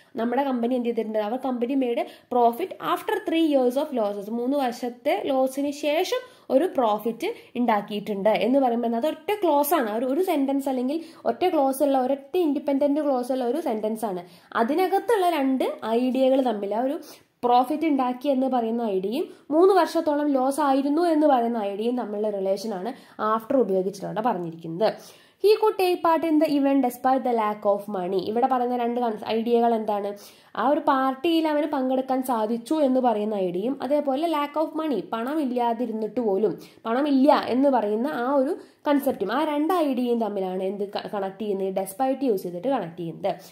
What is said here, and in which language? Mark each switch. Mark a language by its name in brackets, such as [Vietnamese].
[Malayalam] നമ്മുടെ കമ്പനി എന്ത് ചെയ്തിട്ടുണ്ട്, അവർ [English] company made profit after 3 years of losses, [Malayalam] 3 വർഷത്തെ ലോസിന് ശേഷം ഒരു പ്രോഫിറ്റ് ഉണ്ടാക്കിയിട്ടുണ്ട് എന്ന് പറയുമ്പോൾ അത് ഒറ്റ ക്ലോസ് ആണ്, ഒരു സെന്റൻസ് അല്ലെങ്കിൽ ഒറ്റ ക്ലോസ് ഉള്ള ഒരൊറ്റ ഇൻഡിപെൻഡന്റ് ക്ലോസ് ഉള്ള ഒരു സെന്റൻസ് ആണ്. അതിനകത്തുള്ള രണ്ട് ഐഡിയകൾ തമ്മിൽ, ആ ഒരു പ്രോഫിറ്റ് ഉണ്ടാക്കി എന്ന് പറയുന്ന ഐഡിയയും 3 വർഷത്തോളം ലോസ് ആയിരുന്നു എന്ന് പറയുന്ന ഐഡിയയും തമ്മിലുള്ള റിലേഷൻ ആണ് ആഫ്റ്റർ ഉപയോഗിച്ചിട്ടുണ്ട് പറഞ്ഞിരിക്കുന്നത്. [English] He could take part in the event despite the lack of money. [Malayalam] ഇവിടെ പറയുന്ന രണ്ട് ഐഡിയകൾ എന്താണ്, ആ ഒരു പാർട്ടിയിൽ അവന് പങ്കെടുക്കാൻ സാധിച്ചു എന്ന് പറയുന്ന ഐഡിയയും, അതേപോലെ ലാക്ക് ഓഫ് മണി, പണമില്ലാതിരുന്നിട്ട് പോലും പണമില്ല എന്ന് പറയുന്ന ആ ഒരു കൺസെപ്റ്റും, ആ രണ്ട് ഐഡിയയും തമ്മിലാണ് എന്ത് കണക്ട് ചെയ്യുന്നത്, ഡെസ്പൈറ്റ് യൂസ് ചെയ്തിട്ട് കണക്ട് ചെയ്യുന്നത്.